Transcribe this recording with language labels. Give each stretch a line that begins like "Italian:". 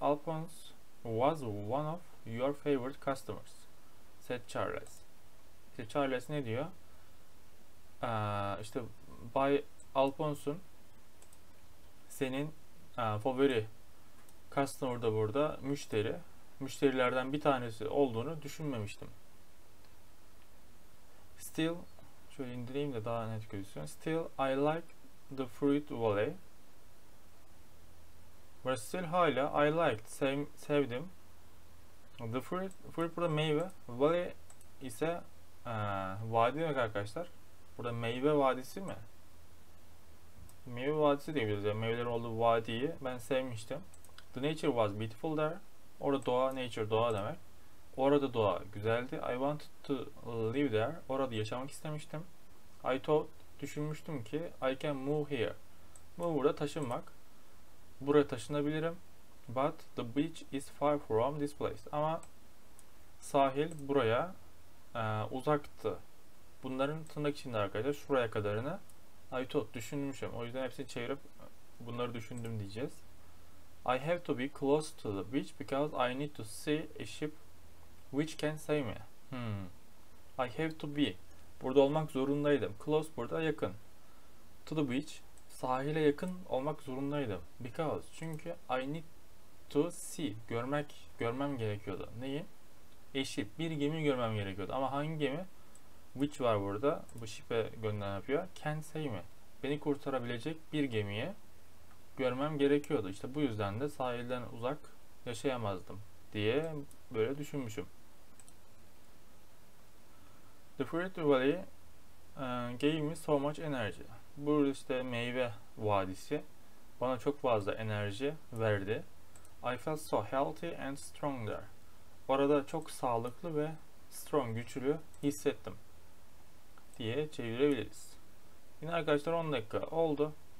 English: Alphonse was one of your favorite customers, said Charles.
Turkish: İşte Charles ne diyor? İşte Bay Alphonse'un senin favori customer da burada müşterilerden bir tanesi olduğunu düşünmemiştim.
English: Still,
Turkish: şöyle indireyim de daha net gözüksün.
English: Still, I like the fruit valley.
Turkish: Burada still hala
English: I liked,
Turkish: sevdim. Fruit burada meyve. Valley ise vadi demek arkadaşlar. Burada meyve vadisi mi? Meyve vadisi diyebiliriz. Yani meyveler olduğu vadiyi ben sevmiştim.
English: The nature was beautiful there.
Turkish: Orada doğa, nature doğa demek. Orada doğa güzeldi.
English: I wanted to live there.
Turkish: Orada yaşamak istemiştim.
English: I thought,
Turkish: düşünmüştüm ki
English: I can move here. Move
Turkish: burada taşınmak. Buraya taşınabilirim.
English: But the beach is far from this place.
Turkish: Ama sahil buraya uzaktı. Bunların tırnak içinde arkadaşlar, şuraya kadarını
English: I thought,
Turkish: düşünmüşüm. O yüzden hepsini çevirip bunları düşündüm diyeceğiz.
English: I have to be close to the beach because I need to see a ship which can save me. I have to be.
Turkish: Burada olmak zorundaydım. Close burada yakın.
English: To the beach,
Turkish: sahile yakın olmak zorundaydım. Because, çünkü
English: I need to see,
Turkish: görmem gerekiyordu. Neyi? Eşip, bir gemi görmem gerekiyordu. Ama hangi gemi? Which var burada. Bu şipe gönderen yapıyor.
English: Can save me.
Turkish: Beni kurtarabilecek bir gemiyi görmem gerekiyordu. İşte bu yüzden de sahilden uzak yaşayamazdım diye böyle düşünmüşüm.
English: The Fruit Valley gave me so much energy.
Turkish: Burada işte meyve vadisi bana çok fazla enerji verdi.
English: I felt so healthy and strong there.
Turkish: Orada çok sağlıklı ve strong, güçlü hissettim. diye çevirebiliriz. Yine arkadaşlar 10 dakika oldu.